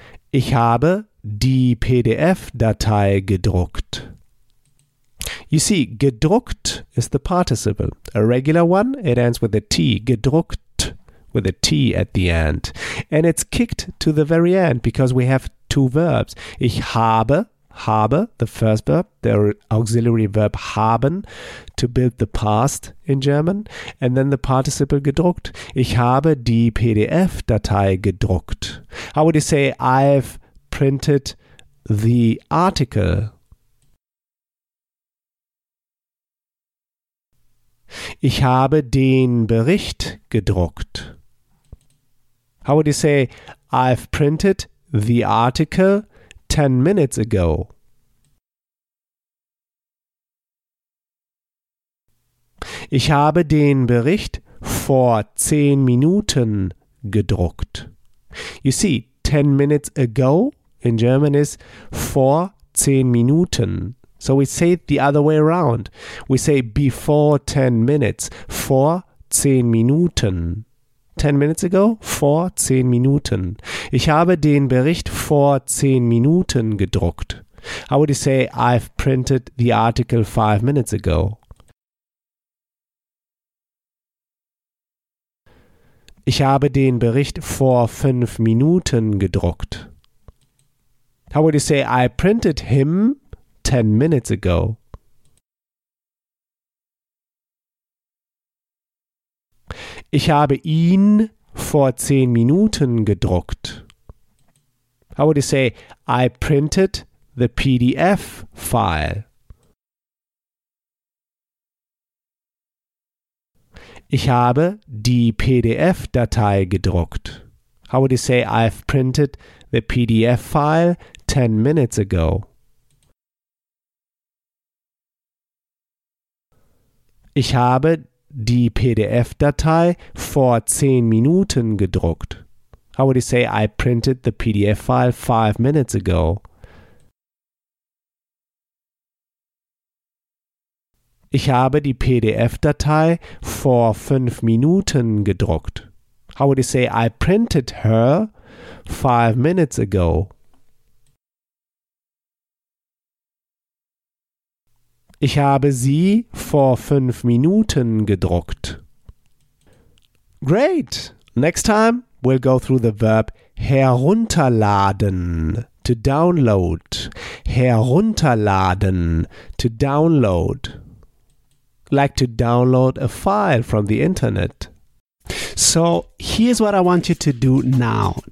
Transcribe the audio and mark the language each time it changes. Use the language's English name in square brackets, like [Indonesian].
[German] Ich habe die PDF-Datei gedruckt. [English] You see, gedruckt is the participle. A regular one, it ends with a T. Gedruckt with a T at the end. And it's kicked to the very end because we have two verbs. [German] Ich habe, [English] the first verb, the auxiliary verb haben, to build the past in German. And then the participle gedruckt. [German] Ich habe die PDF-Datei gedruckt. [English] How would you say, I've printed the article? [German] Ich habe den Bericht gedruckt. [English] How would you say, I've printed the article 10 minutes ago? [German] Ich habe den Bericht vor 10 Minuten gedruckt. [English] You see, 10 minutes ago in German is [German] vor 10 Minuten. [English] So we say it the other way around. We say before 10 minutes, [German] vor 10 Minuten. [English] 10 minutes ago, [German] vor 10 Minuten. Ich habe den Bericht vor 10 Minuten gedruckt. [English] How would you say, I've printed the article 5 minutes ago? [German] Ich habe den Bericht vor 5 Minuten gedruckt. [English] How would you say, I printed him 10 minutes ago. [German] Ich habe ihn vor 10 Minuten gedruckt. [English] How would you say, I printed the PDF file? [German] Ich habe die PDF-Datei gedruckt. [English] How would you say, I've printed the PDF file 10 minutes ago? [German] Ich habe die PDF-Datei vor 10 Minuten gedruckt. [English] How would you say, I printed the PDF file 5 minutes ago? [German] Ich habe die PDF-Datei vor 5 Minuten gedruckt. [English] How would you say, I printed her 5 minutes ago? [German] Ich habe sie vor 5 Minuten gedruckt. [English] Great! Next time, we'll go through the verb herunterladen, to download. Herunterladen, to download. Like to download a file from the internet. So, here's what I want you to do now.